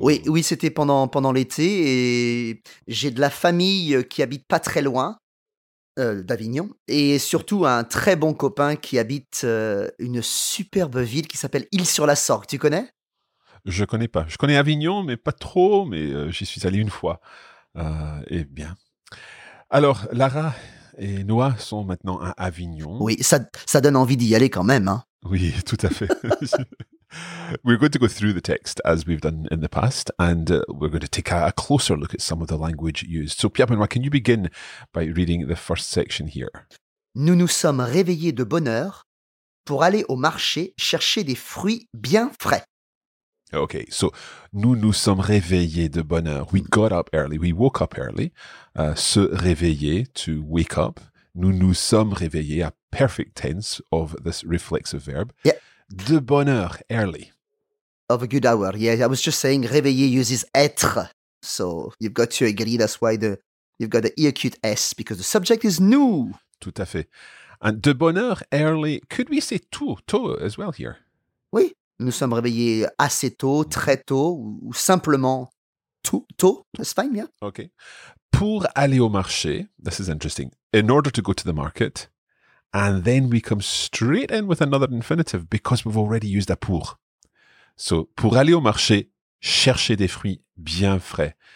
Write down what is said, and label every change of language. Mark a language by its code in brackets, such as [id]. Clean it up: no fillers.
[fr] Oui, c'était pendant l'été et j'ai de la famille qui habite pas très loin d'Avignon et surtout un très bon copain qui habite une superbe ville qui s'appelle Isle-sur-la-Sorgue. Tu connais ? Je connais pas. Je connais Avignon, mais pas trop, mais j'y suis allé une fois. Eh bien, alors Lara et Noah sont maintenant à Avignon. Oui, ça donne envie d'y aller quand même, hein. Oui, tout à fait. [en] We're going to go through the text as we've done in the past, and we're going to take a closer look at some of the language used. So Pierre-Benoît, can you begin by reading the first section here? [fr] Nous nous sommes réveillés de bonne heure pour aller au marché chercher des fruits bien frais. [en] Okay, so [fr] nous nous sommes réveillés de bonne heure. [en] We got up early. We woke up early. [fr] Se réveiller, [en] to wake up. [fr] Nous nous sommes réveillés, [en] a perfect tense of this reflexive verb. Yeah. [fr] De bonne heure, early. [en] Of a good hour, yeah. I was just saying, réveillé uses être. So you've got to agree, that's why the you've got the E acute S, because the subject is nous. [fr] Tout à fait. [en] And [fr] de bonne heure, [en] early, could we say tôt as well here? [fr] Oui, nous sommes réveillés assez tôt, très tôt, ou simplement tôt, [en] that's fine, yeah. Okay. [fr] Pour aller au marché, [en] this is interesting, in order to go to the market, and then we come straight in with another infinitive because we've already used a pour. [fr] So, pour aller au marché, chercher des fruits bien frais.